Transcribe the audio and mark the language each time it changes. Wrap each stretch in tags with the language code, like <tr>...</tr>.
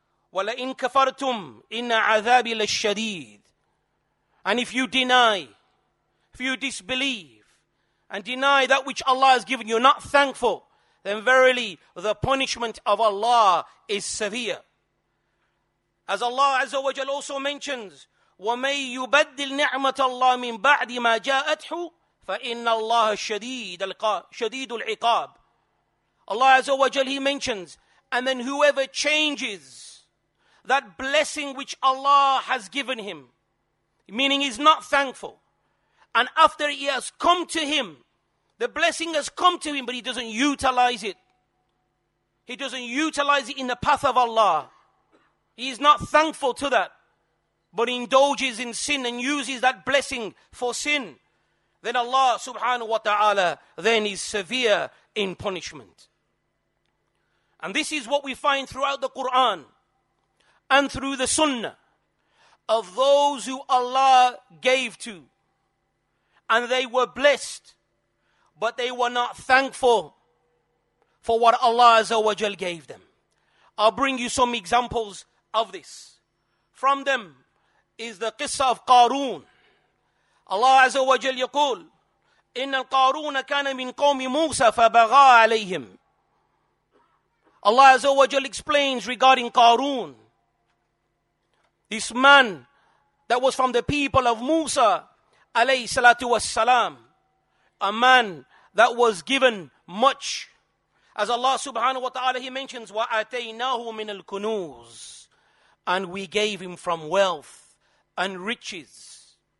<ar>Wala in kafartum inna adhabi lashadid.</ar> <en>And if you deny, if you disbelieve and deny that which Allah has given you, not thankful, then verily the punishment of Allah is severe. As Allah azza wa jal also mentions,</en> <ar>وَمَنْ يُبَدِّلْ نِعْمَةَ اللَّهِ مِنْ بَعْدِ مَا جَاءَتْهُ فَإِنَّ اللَّهَ شَدِيدُ الْعِقَابِ.</ar> <en>Allah Azza wa Jal, He mentions, and then whoever changes that blessing which Allah has given him, meaning he's not thankful, and after he has come to him, the blessing has come to him, but he doesn't utilize it. He doesn't utilize it in the path of Allah. He is not thankful to that, but indulges in sin and uses that blessing for sin, then Allah subhanahu wa ta'ala then is severe in punishment. And this is what we find throughout the Quran and through the Sunnah of those who Allah gave to, and they were blessed, but they were not thankful for what Allah azza wa jal gave them. I'll bring you some examples of this. From them is the qissa of Qarun. Allah Azza wa Jal</en> <ar>yaqul, إِنَّ الْقَارُونَ كَانَ مِنْ قَوْمِ مُوسَى فَبَغَى عَلَيْهِمْ.</ar> <en>Allah Azza wa Jal explains regarding Qarun, this man that was from the people of Musa alayhi salatu was salam, a man that was given much. As Allah subhanahu wa ta'ala, He mentions,</en> <ar>وَأَتَيْنَاهُ مِنَ الْكُنُوزِ,</ar> <en>and we gave him from wealth and riches.</en>